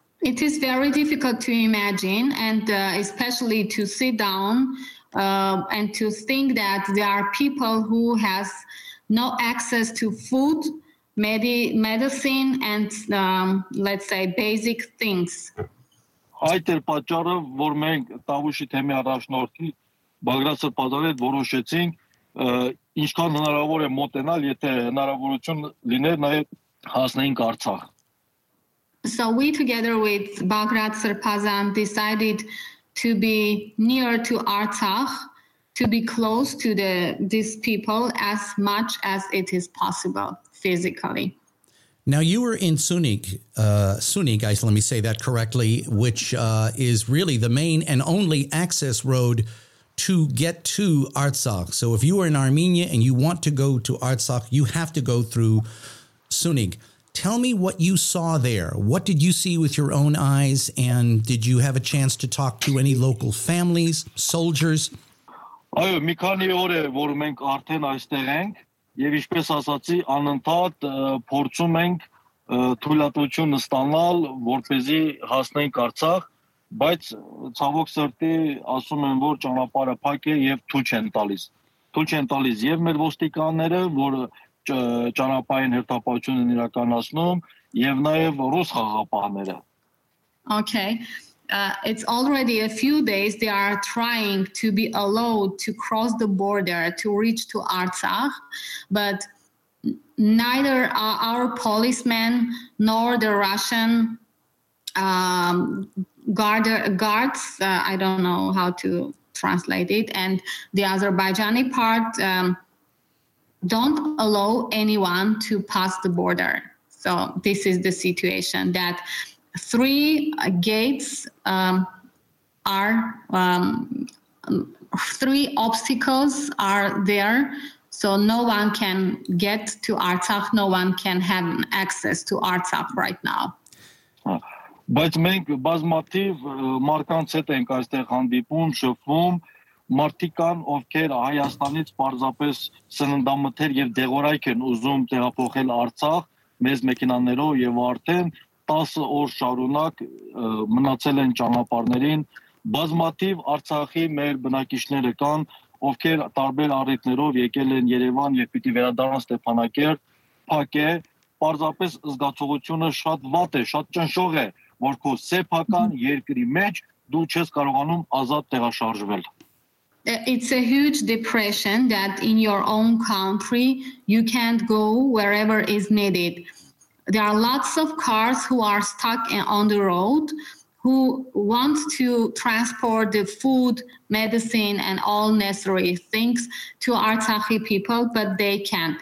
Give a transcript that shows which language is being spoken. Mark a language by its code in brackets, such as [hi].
[en] It is very difficult to imagine, and especially to sit down and to think that there are people who has no access to food, medicine, and let's say basic things. [hy] Այդ էր պատճառը, որ մենք Տավուշի թեմի առաջնորդի Բագրատ Սրբազյանի հետ որոշեցինք ինչքան հնարավոր է մոտենալ, եթե հնարավորություն լիներ նաև հասնեինք Արցախ. [en] So we, together with Bagrat Sarpazan, decided to be near to Artsakh, to be close to these people as much as it is possible physically. Now, you were in Sunik, guys, let me say that correctly, which is really the main and only access road to get to Artsakh. So if you are in Armenia and you want to go to Artsakh, you have to go through Sunik. Tell me what you saw there. What did you see with your own eyes? And did you have a chance to talk to any local families, soldiers? [hy] Այո, մի քանի օր է, որ մենք արդեն այստեղ ենք, եւ ինչպես ասացի, անընդհատ փորձում ենք թույլատվություն ստանալ, որպեսզի հասնենք Արցախ, բայց ցավոք սրտի ասում եմ, որ ճանապարհը փակ է եւ թույլ չեն տալիս եւ մեր ոստիկանները, որ ճանապարհային հերթապահությունն են իրականացնում, եւ նաեւ ռուս խաղապահները. [en] Okay. It's already a few days they are trying to be allowed to cross the border to reach to Artsakh, but neither our policemen nor the Russian guards, I don't know how to translate it, and the Azerbaijani part don't allow anyone to pass the border. So this is the situation, that three gates are three obstacles are there, so no one can get to Artsakh, no one can have access to Artsakh right now. But [hy] մենք բազմաթիվ մարդկանց հետ ենք այստեղ հանդիպում, շփվում, մարդիկ կան, ովքեր Հայաստանից պարզապես սննդամթեր եւ դեղորայք են ուզում տեղափոխել Արցախ մեզ մեքենաներով, եւ արդեն 10 օր շարունակ մնացել են ճանապարհներին. Բազմաթիվ Արցախի մեր բնակիչները կան, ովքեր տարբեր առիթներով եկել են Երևան եւ պիտի վերադառնան Ստեփանակերտ, փակ է, պարզապես զգացողությունը շատ վատ է, շատ ճնշող է, որ քո սեփական երկրի մեջ դու չես կարողանում ազատ տեղաշարժվել. [en] It's a huge depression that in your own country you can't go wherever is needed. There are lots of cars who are stuck on the road, who want to transport the food, medicine, and all necessary things to Artsakhi people, but they can't.